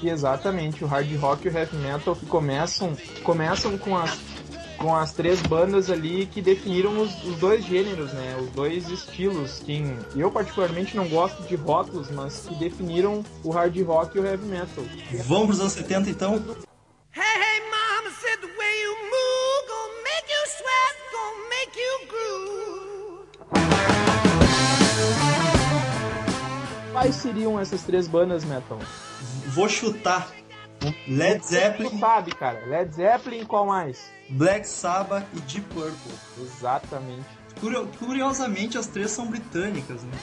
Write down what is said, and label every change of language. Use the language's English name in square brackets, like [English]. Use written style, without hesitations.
[Portuguese] E exatamente, o hard rock e o heavy metal que começam com as três bandas ali que definiram os dois gêneros, né? Os dois estilos, que eu particularmente não gosto de rótulos, mas que definiram o hard rock e o heavy metal. Vamos pros anos 70 então? [English] Hey, hey, mama, said the way you move, gonna make you sweat, gonna make you groove. [Portuguese] Quais seriam essas três bandas, metal? Vou chutar. Led Zeppelin. Tu sabe, cara. Led Zeppelin, qual mais? Black Sabbath e Deep Purple. Exatamente. Curiosamente, as três são britânicas, né?